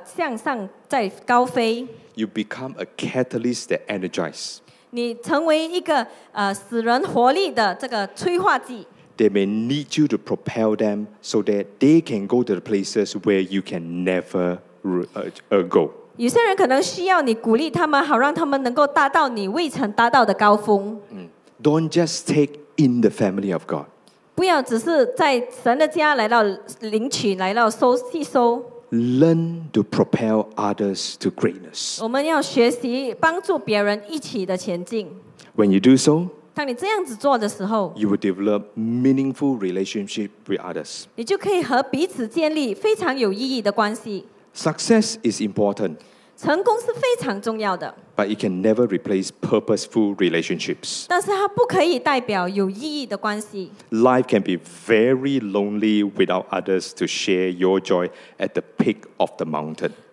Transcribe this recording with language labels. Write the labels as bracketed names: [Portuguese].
[Chinese] 这螺旋桨能够帮助你向上再高飞。 [English] You become a catalyst that energizes. [Chinese] 你成为一个使人活力的这个催化剂。 [English] They may need you to propel them so that they can go to the places where you can never go. [Chinese] 有些人可能需要你鼓励他们，好让他们能够达到你未曾达到的高峰。 [English] Don't just take in the family of God. [Chinese] 不要只是在神的家来到领取，来到收吸收。 [English] Learn to propel others to greatness. [Chinese] 我们要学习帮助别人一起的前进。 [English] When you do so, [Chinese] 当你这样子做的时候, [English] you will develop meaningful relationship with others. [Chinese] 你就可以和彼此建立非常有意义的关系。 [English] Success is important. [Chinese] 成功是非常重要的。 [English] But it can never replace purposeful relationships. [Chinese] 但是它不可以代表有意义的关系。 [English] Life can be very lonely without others to share your joy at the peak of the mountain.